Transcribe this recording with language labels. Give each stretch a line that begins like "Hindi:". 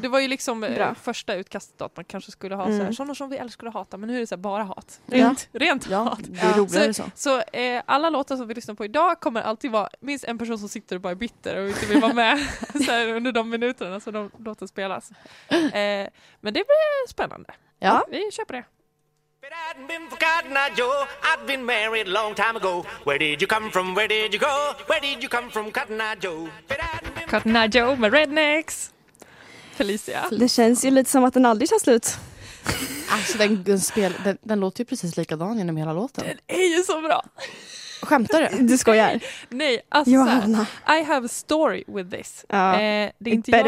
Swedish: Det var ju liksom första utkastet att man kanske skulle ha så här, sådana som vi älskar och hata, men nu är det så här, bara hat. Rent hat. Det är roligare så. Så alla låtar som vi lyssnar på idag kommer alltid vara minst en person som sitter och bara är bitter och inte vill vara med så här, under de minuterna som de låter spelas. Men det blir spännande. Ja. Vi köper det.
English: it hadn't been for Cotton Eye Joe, I'd been married a long time ago. Where did you come from? Where did you go? Where did you come from, Cotton Eye Joe?
Swedish: Cotton Eye Joe med Rednecks. Felicia. Det känns ju lite som att den aldrig tar slut. Alltså den låter ju precis likadan genom hela låten. Den är ju så bra. Skämtar du? Du skojar. Nej, alltså Johanna.
English: I have a story with this.
Swedish: Ja, det är inte
English: better